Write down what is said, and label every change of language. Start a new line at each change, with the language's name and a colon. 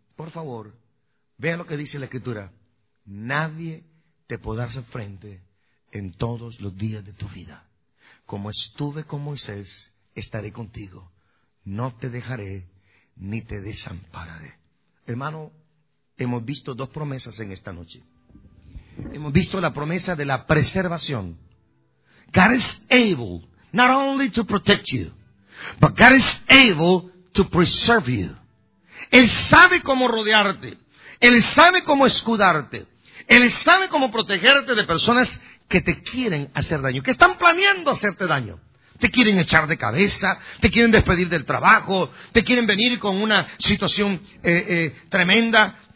Spanish: Por favor, vea lo que dice la Escritura. Nadie te podrá hacer frente en todos los días de tu vida. Como estuve con Moisés, estaré contigo, no te dejaré ni te desampararé. Hermano, hemos visto dos promesas en esta noche. Hemos visto la promesa de la preservación.
English: God is able not only to protect you, but God is able to preserve you.
Spanish: Él sabe cómo rodearte, Él sabe cómo escudarte, Él sabe cómo protegerte de personas que te quieren hacer daño, que están planeando hacerte daño. Te quieren echar de cabeza, te quieren despedir del trabajo, te quieren venir con una situación tremenda.